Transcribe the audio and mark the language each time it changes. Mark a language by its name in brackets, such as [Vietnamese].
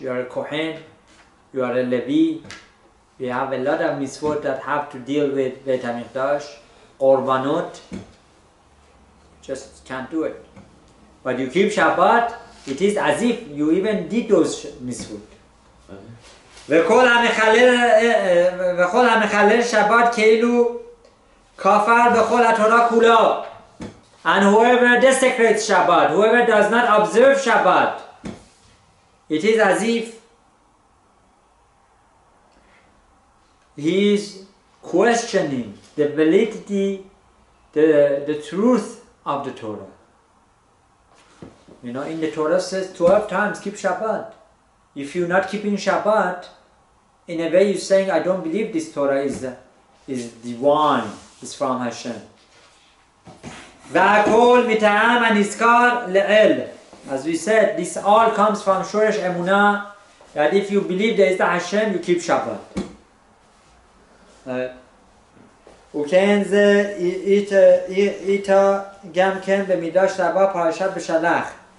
[English] You are a Kohen, you are a Levi, we have a lot of mitzvot that have to deal with Beit HaMikdash, Korbanot, just can't do it. But you keep Shabbat, it is as if you even did those mitzvot. [Hebrew] וכל המחלל שבת כאילו כפר בכל התורה כולה. [English] And whoever desecrates Shabbat, whoever does not observe Shabbat, it is as if he is questioning the validity, the truth of the Torah. You know, in the Torah says 12 times, keep Shabbat. If you're not keeping Shabbat, in a way you're saying, I don't believe this Torah is divine, it's from Hashem. [Hebrew] והכל מטעם הנזכר לאל. [English] As we said, this all comes from Shoresh Emuna, that if you believe there is the Hashem, you keep Shabbat. [Hebrew] וכן זה איתה גם כן במדרש רבה פרשת בשלח.